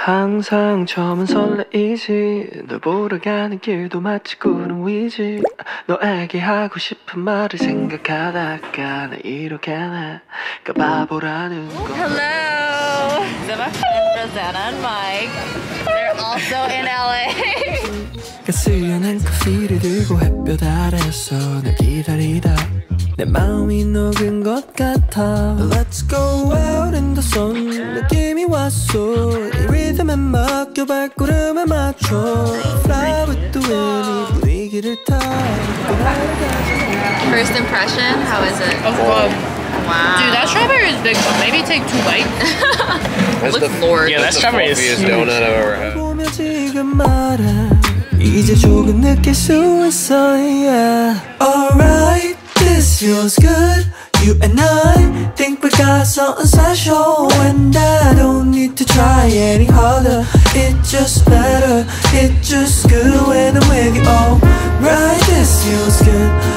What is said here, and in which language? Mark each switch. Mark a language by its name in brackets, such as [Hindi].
[Korean] 항상 처음은 설레이지 널 보러 가는 길도 마치 구름 위지 너에게 하고 싶은 말을 생각하다가 난 이렇게 할까 바보라는 거. [English] Hello! These are my friends Rosanna and Mike. They're also in LA. [Korean] 그 쓰려낸 커피를 들고 햇볕 아래서 널 기다리다 내 마음이 녹은 것 같아 [English] Let's go out in the sun [Korean] 느낌이 왔어 이 리듬에 맡겨 발걸음에 맞춰 [English] Fly with the wind [Korean] 이 분위기를 타 [English] First impression, how is it? Oh, good. Wow. Dude, that strawberry is big, so maybe take two bites. Look forward. Yeah, that strawberry is the fluffiest donut I've ever had. [Korean] 지금 말아 이제 조금 느낄 수 있어 [English] Alright, this feels good You and I think we got something special And I don't need to try any harder It's just better, it's just good when I'm with you Alright, this feels good